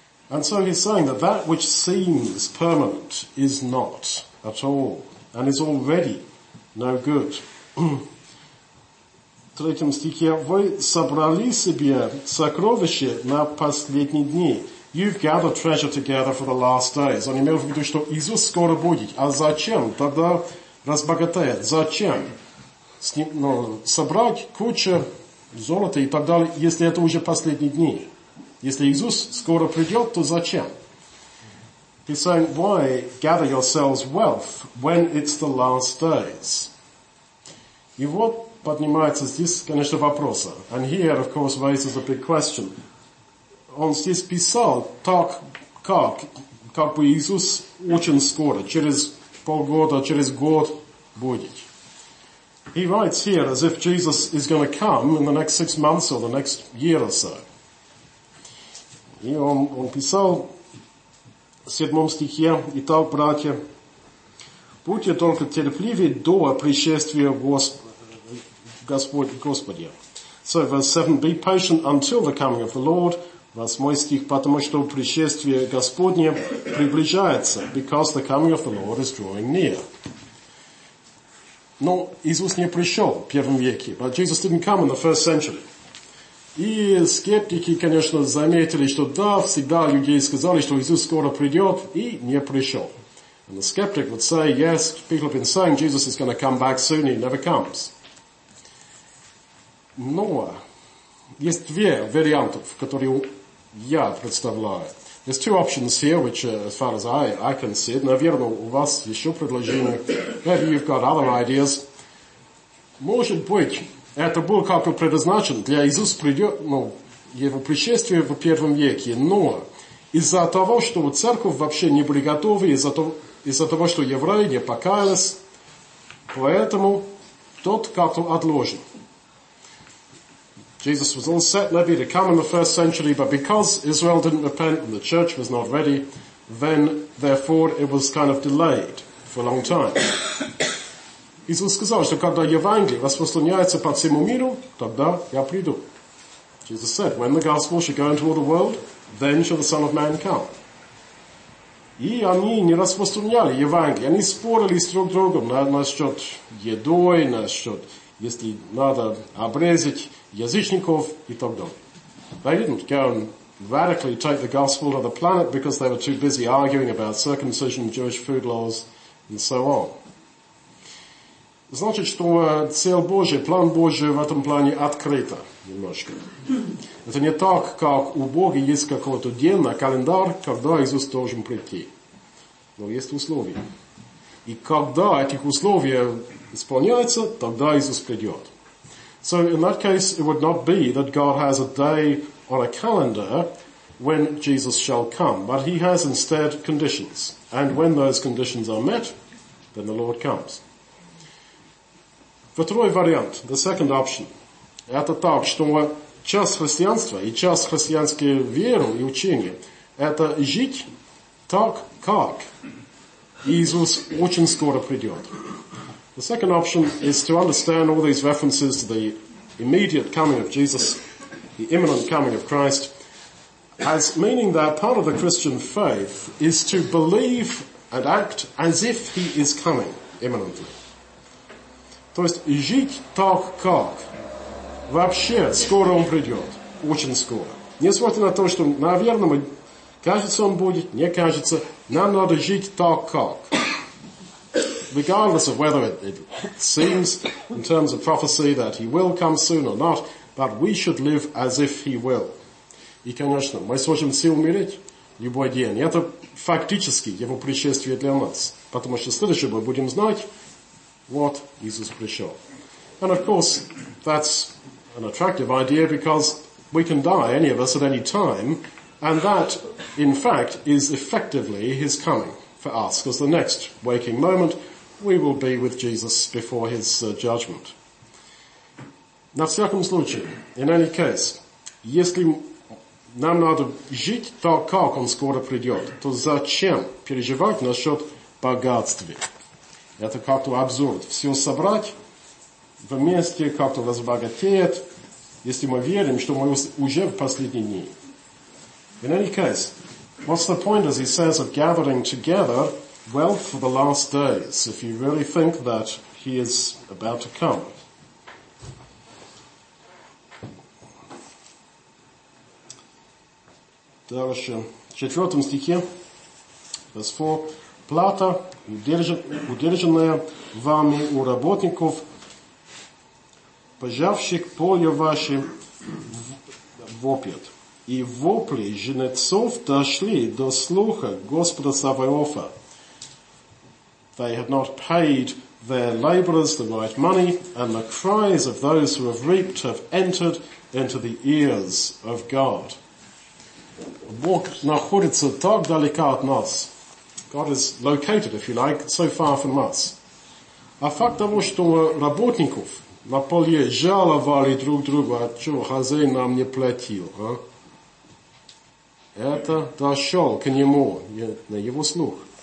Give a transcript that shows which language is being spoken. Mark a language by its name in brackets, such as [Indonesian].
[English] And so he's saying that that which seems permanent is not at all, and is already no good. [Russian] В третьем стихе, вы собрали себе сокровище на последние дни. [English] You've gathered treasure together for the last days. [Russian] Он имел в виду, что Иисус скоро будет. А зачем тогда разбогатеет? Зачем собрать кучу золота и так далее, если это уже последние дни? Если Иисус скоро придет, то зачем? [English] He's saying, why gather yourselves wealth when it's the last days? [Russian] И вот поднимается здесь, конечно, вопрос. [English] And here, of course, raises a big question. [Russian] Он здесь писал так, как бы Иисус очень скоро, через полгода, через год будет. [English] He writes here as if Jesus is going to come in the next 6 months or the next year or so. [Russian] И он писал в 7 стихе, «Итак, братья, будьте только терпливы до пришествия Господня». [English] So verse 7, «Be patient until the coming of the Lord». [Russian] 8 стих, «Потому что пришествие Господне приближается». [English] «Because the coming of the Lord is drawing near». [Russian] Но Иисус не пришел в первом веке. [English] But Jesus didn't come in the first century. [Russian] И скептики, конечно, заметили, что да, всегда люди сказали, что Иисус скоро придет, и не пришел. [English] And the skeptic would say, yes, people have been saying Jesus is going to come back soon, he never comes. [Russian] Но есть две варианты, которые я представляю. [English] There's two options here, which as far as I can see it, [Russian] наверное, у вас еще предложение. [English] Maybe you've got other ideas. [Russian] Может быть, это было как-то предназначено для Иисуса придет, ну, его пришествие в первом веке, но из-за того, что церковь вообще не были готовы, из-за того, что евреи не покаялись, поэтому тот как-то отложен. [English] Jesus was all set maybe to come in the first century, but because Israel didn't repent and the church was not ready, then therefore it was kind of delayed for a long time. [Russian] Иисус сказал, что когда Евангелие распространяется по всему миру, тогда я приду. [English] Jesus said, when the gospel shall go into all the world, then shall the Son of Man come. [Russian] И они не распространяли Евангелие, они спорили с друг другом насчет едой, насчет, если надо обрезать язычников и так далее. [English] They didn't go and radically take the gospel to the planet because they were too busy arguing about circumcision, Jewish food laws and so on. [Russian] Значит, что цель Божия, план Божий в этом плане открыто немножко. Это не так, как у Бога есть какой-то день на календарь, когда Иисус должен прийти. Но есть условия. И когда этих условий исполняется, тогда Иисус придет. [English] So in that case, it would not be that God has a day or a calendar when Jesus shall come. But he has instead conditions. And when those conditions are met, then the Lord comes. [Russian] Второй вариант, [English] the second option, [Russian] это так, что часть христианства и часть христианской веры и учения, это жить так, как Иисус очень скоро придет. [English] The second option is to understand all these references to the immediate coming of Jesus, the imminent coming of Christ, as meaning that part of the Christian faith is to believe and act as if he is coming imminently. [Russian] То есть, жить так, как вообще скоро он придет, очень скоро. Несмотря на то, что, наверное, мы, кажется, он будет, не кажется, нам надо жить так, как. [English] Regardless of whether it seems, in terms of prophecy, that he will come soon or not, but we should live as if he will. [Russian] И, конечно, мы сможем все умереть любой день. И это фактически его пришествие для нас. Потому что следующее мы будем знать, [English] what Jesus pressure. And of course, that's an attractive idea because we can die, any of us, at any time, and that, in fact, is effectively his coming for us, because the next waking moment, we will be with Jesus before his judgment. [Russian] На всяком случае, [English] in any case, [Russian] если нам надо жить так, как он скоро придет, то зачем переживать насчет богатства? Это как-то абсурд. Все собрать вместе, как-то разбогатеет, если мы верим, что мы уже в последние дни. [English] In any case, what's the point, as he says, of gathering together wealth for the last days, if you really think that he is about to come? [Russian] Дальше. В 4 стихе, [English] verse 4, [Russian] плата, удержанная вами у работников, пожавших поле ваше, вопят. И вопли жнецов дошли до слуха Господа Саваофа. [English] They had not paid their laborers that might money, and the cries of those who have reaped have entered into the ears of God. [Russian] Бог находится так далеко от нас. [English] God is located, if you like, so far from us. [Russian] А факт того, что работников на поле жаловали друг друга, что хозяин нам не платил, а? Это дошел к нему, на его слух.